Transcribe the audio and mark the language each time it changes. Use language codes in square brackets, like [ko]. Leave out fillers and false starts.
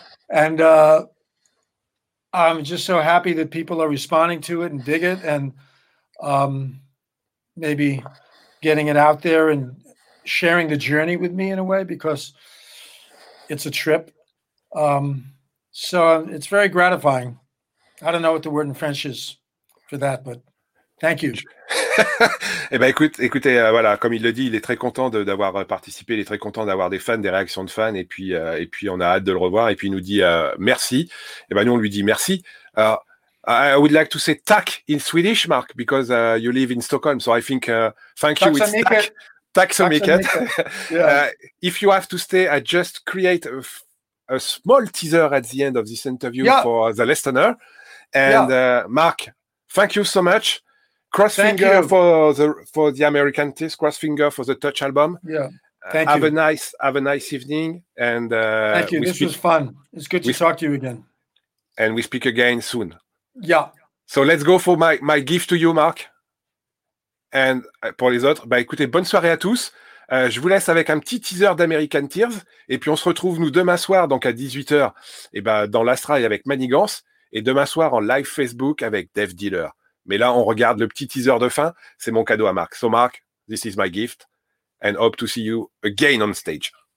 [en] And I'm just so happy that people are responding to it and dig it and maybe getting it out there and sharing the journey with me in a way, because it's a trip. So it's very gratifying. I don't know what the word in French is for that, but thank you. [fr] Eh ben écoutez, voilà, comme il le dit, il est très content d'avoir participé, il est très content d'avoir des fans, des réactions de fans, et puis on a hâte de le revoir, et puis il nous dit merci. Eh ben nous, on lui dit merci. [en] I would like to say tack in Swedish, Mark, because you live in Stockholm, so I think thank you, it's tack. Tack so much. Yeah. If you have to stay, I just create a small teaser at the end of this interview for the listener. And Mark, thank you so much. Cross finger for the American Tears, cross finger for the Touch album. Yeah. Thank you. Have a nice evening. And thank you. This was fun. It's good to talk to you again. And we speak again soon. Yeah. So let's go for my gift to you, Mark. [fr] And pour les autres, bah écoutez, bonne soirée à tous. Je vous laisse avec un petit teaser d'American Tears. Et puis on se retrouve nous demain soir, donc à 18h, dans l'Astral avec Manigance. Et demain soir en live Facebook avec Dev Dealer. Mais là, on regarde le petit teaser de fin. C'est mon cadeau à Marc. [en] So Marc, this is my gift. And hope to see you again on stage.